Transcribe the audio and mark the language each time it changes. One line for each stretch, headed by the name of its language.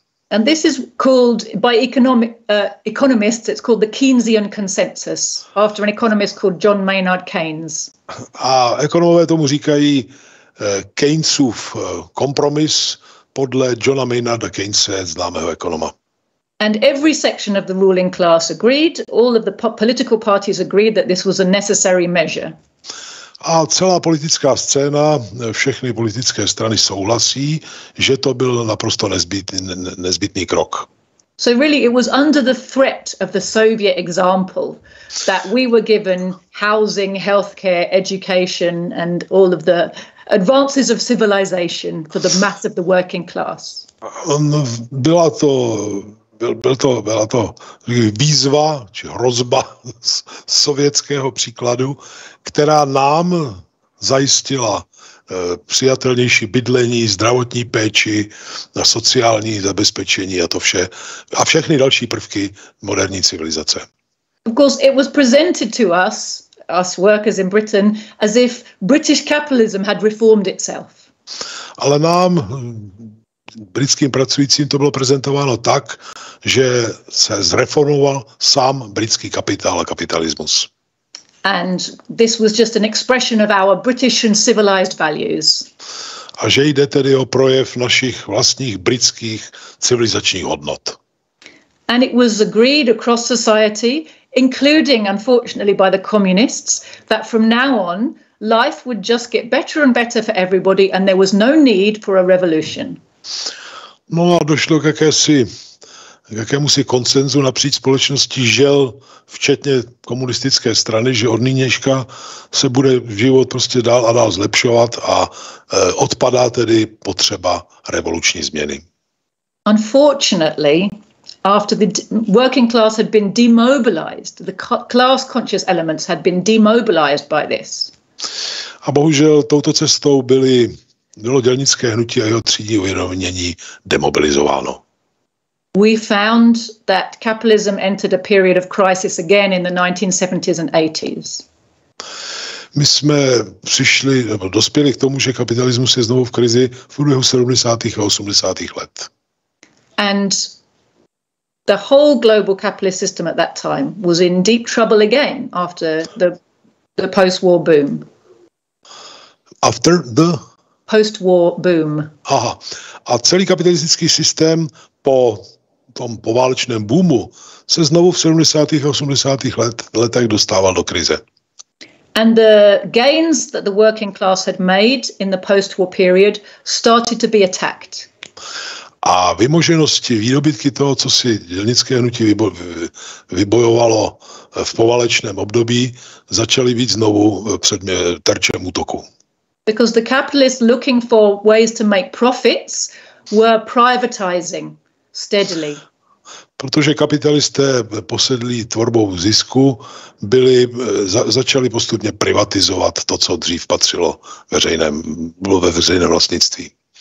English: And this is called by economists, it's called the Keynesian consensus after an economist called John Maynard Keynes.
Czech: A ekonomové tomu říkají Keynesův kompromis podle Johna Maynarda Keynese, známého ekonoma.
English: And every section of the ruling class agreed, all of the political parties agreed that this was a necessary measure.
Czech: A celá politická scéna, všechny politické strany souhlasí, že to byl naprosto nezbytný krok.
English: So really it was under the threat of the Soviet example that we were given housing, healthcare, education and all of the advances of civilization for the mass of the working class.
Czech: Byla to výzva či hrozba z sovětského příkladu, která nám zajistila přijatelnější bydlení, zdravotní péči, sociální zabezpečení a to vše a všechny další prvky moderní civilizace.
English: Of course it was presented to us workers in Britain as if British capitalism had reformed itself.
Czech: Ale nám britským pracujícím to bylo prezentováno tak, že se zreformoval sám britský kapitál a kapitalismus.
English: And this was just an expression of our British and civilized values.
Czech: A že jde tedy o projev našich vlastních britských civilizačních hodnot.
English: And it was agreed across society, including unfortunately by the communists, that from now on life would just get better and better for everybody and there was no need for a revolution.
Czech: No a došlo k jakémusi konsenzu napříč společnosti, žel včetně komunistické strany, že od nynějška se bude život prostě dál a dál zlepšovat a odpadá tedy potřeba revoluční změny.
English: Unfortunately, after the working class had been demobilized, the class conscious elements had been demobilized by this.
Czech: A bohužel touto cestou bylo dělnické hnutí a jeho třídní uvědomění demobilizováno.
English: We found that capitalism entered a period of crisis again in the 1970s and 80s.
Czech: My jsme přišli nebo dospěli k tomu, že kapitalismus je znovu v krizi v průběhu 70. a 80. let.
English: And the whole global capitalist system at that time was in deep trouble again after the post-war boom. After the post-war boom. Aha.
Czech: A celý kapitalistický systém po tom poválečném boomu se znovu v 70. a 80. letech dostával do krize.
English: And the gains that the working class had made in the post-war period started to be attacked.
Czech: A vymoženosti, výdobytky toho, co si dělnické hnutí vybojovalo v poválečném období, začaly být znovu terčem útoku.
English: Because the capitalists looking for ways to make profits were privatizing steadily.
Czech: Protože kapitalisté posedlí tvorbou zisku začali postupně privatizovat to, co dřív patřilo ve veřejném vlastnictví.